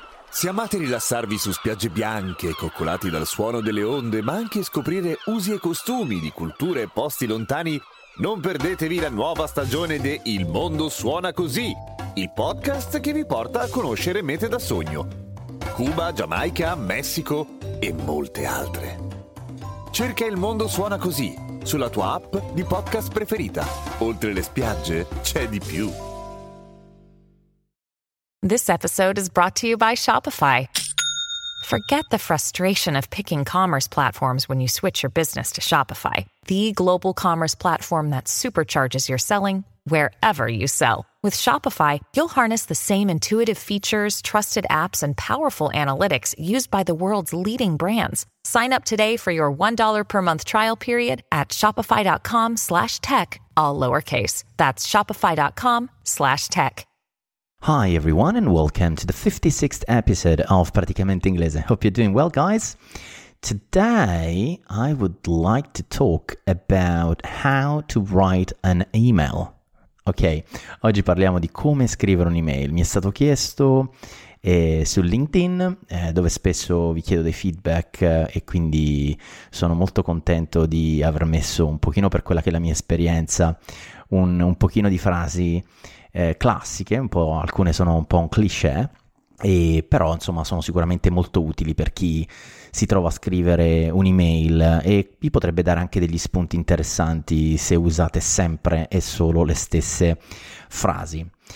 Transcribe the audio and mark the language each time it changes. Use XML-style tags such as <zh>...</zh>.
<it>Se amate rilassarvi su spiagge bianche, coccolati dal suono delle onde, ma anche scoprire usi e costumi di culture e posti lontani, non perdetevi la nuova stagione di Il Mondo Suona Così, il podcast che vi porta a conoscere mete da sogno. Cuba, Giamaica, Messico e molte altre. Cerca Il Mondo Suona Così sulla tua app di podcast preferita. Oltre le spiagge, c'è di più.</it> <en>This episode is brought to you by Shopify. Forget the frustration of picking commerce platforms when you switch your business to Shopify, the global commerce platform that supercharges your selling wherever you sell. With Shopify, you'll harness the same intuitive features, trusted apps, and powerful analytics used by the world's leading brands. Sign up today for your $1 per month trial period at shopify.com/tech, all lowercase. That's shopify.com/tech. Hi everyone and welcome to the 56th episode of Praticamente Inglese. Hope you're doing well, guys. Today, I would like to talk about how to write an email.</en> <it>Ok, oggi parliamo di come scrivere un'email. Mi è stato chiesto su LinkedIn, dove spesso vi chiedo dei feedback e quindi sono molto contento di aver messo un pochino, per quella che è la mia esperienza, un pochino di frasi classiche, un po', alcune sono un po' un cliché, e però insomma sono sicuramente molto utili per chi si trova a scrivere un'email e vi potrebbe dare anche degli spunti interessanti se usate sempre e solo le stesse frasi.</it>